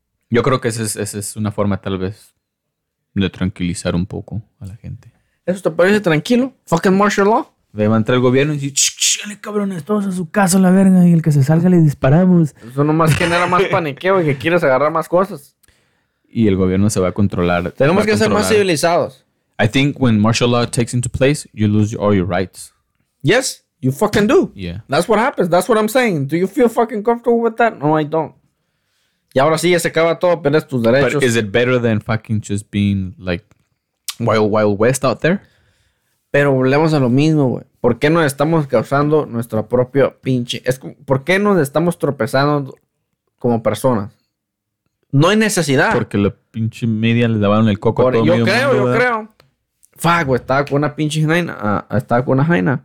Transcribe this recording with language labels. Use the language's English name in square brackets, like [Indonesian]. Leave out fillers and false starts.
[Spanish] Yo creo que esa es una forma tal vez de tranquilizar un poco a la gente. ¿Eso te parece tranquilo? [English] ¿Fucking martial law? [Spanish] Ahí va a entrar el gobierno y dice, chale, cabrones, todos a su casa, la verga. Y el que se salga le disparamos. Eso nomás genera más paniqueo y que quieres agarrar más cosas. Y el gobierno se va a controlar. Tenemos que ser más civilizados. [English] I think when martial law takes into place, you lose all your rights. Yes, you fucking do. Yeah. That's what happens. That's what I'm saying. Do you feel fucking comfortable with that? No, I don't. [Spanish] Y ahora sí, ya se acaba todo, pierdes tus derechos. [English] But is it better than fucking just being like wild, wild west out there? [Spanish] Pero volvemos a lo mismo, güey. ¿Por qué nos estamos causando nuestra propia pinche? Es como, ¿por qué nos estamos tropezando como personas? No hay necesidad. Porque la pinche media le lavaron el coco a todo. Yo creo, mundo, yo creo. Fuck, güey. Estaba con una pinche jaina. Estaba con una jaina.